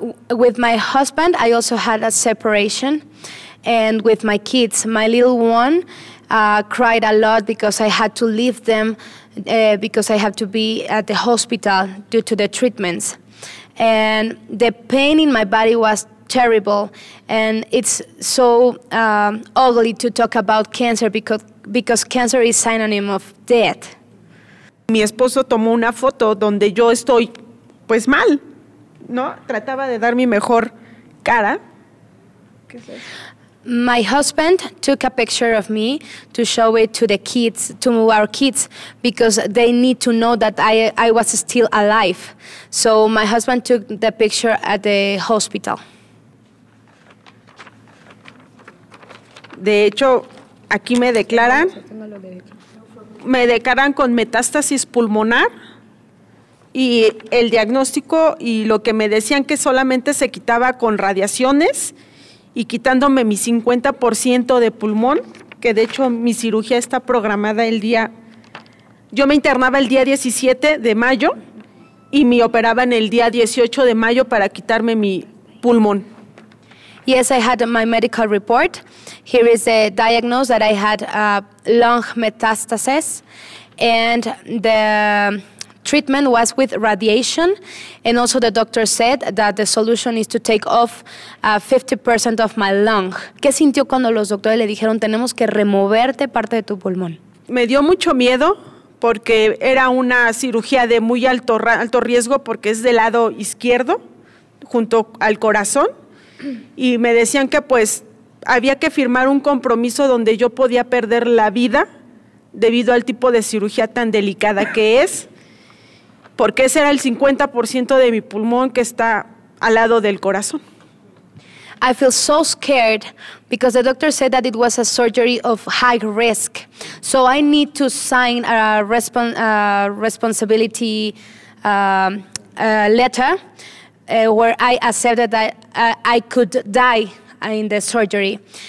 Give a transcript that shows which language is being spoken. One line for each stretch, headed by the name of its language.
English: With my husband, I also had a separation. And with my kids, my little one cried a lot because I had to leave them because I had to be at the hospital due to the treatments. And the pain in my body was terrible. And it's so ugly to talk about cancer because cancer is synonym of death.
Spanish: Mi esposo tomó una foto donde yo estoy, pues, mal, ¿no? Trataba de dar mi mejor cara. ¿Qué es eso?
English: My husband took a picture of me to show it to the kids, to our kids, because they need to know that I was still alive. So my husband took the picture at the hospital.
Spanish: De hecho, aquí me declaran con metástasis pulmonar y el diagnóstico y lo que me decían que solamente se quitaba con radiaciones y quitándome mi 50% de pulmón, que de hecho mi cirugía está programada el día, yo me internaba el día 17 de mayo y me operaban el día 18 de mayo para quitarme mi pulmón.
English: Yes, I had my medical report. Here is the diagnosis that I had a lung metastasis, and the treatment was with radiation, and also the doctor said that the solution is to take off 50% of my lung.
Spanish: ¿Qué sintió cuando los doctores le dijeron tenemos que removerte parte de tu pulmón? Me dio mucho miedo porque era una cirugía de muy alto riesgo porque es del lado izquierdo junto al corazón. Y me decían que pues había que firmar un compromiso donde yo podía perder la vida debido al tipo de cirugía tan delicada que es, porque ese era el 50% de mi pulmón que está al lado del corazón.
English: I feel so scared because the doctor said that it was a surgery of high risk. So I need to sign a responsibility letter. Where I accepted that I could die in the surgery.